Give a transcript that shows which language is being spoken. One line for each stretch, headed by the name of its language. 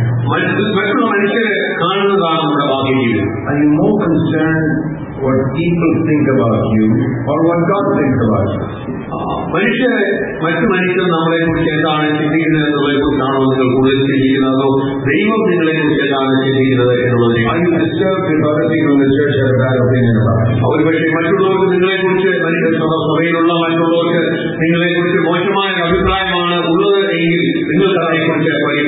Malayalam: മറ്റൊരു മനുഷ്യര് കാണുന്നതാണ് നമ്മുടെ ബാഹ്യ ജീവിതം.
English: What people think about you or what God thinks about you.
Malayalam: മനുഷ്യരെ മറ്റു മനുഷ്യർ നമ്മളെ കുറിച്ച് എന്താണ് ചിന്തിക്കുന്നത് എന്നുള്ളതിനെ കുറിച്ചാണോ നിങ്ങൾ കൂടുതൽ ചിന്തിക്കുന്നതോ ദൈവം നിങ്ങളെ കുറിച്ച് എന്താണ് ചിന്തിക്കുന്നത് എന്നുള്ളത്. ഒരുപക്ഷെ മറ്റുള്ളവർക്ക് നിങ്ങളെ കുറിച്ച് മനുഷ്യ സഭയിലുള്ള മറ്റുള്ളവർക്ക് നിങ്ങളെ കുറിച്ച് മോശമായ അഭിപ്രായമാണ് ഉള്ളത് എങ്കിൽ നിങ്ങൾക്ക് അതിനെ കുറിച്ച് വലിയ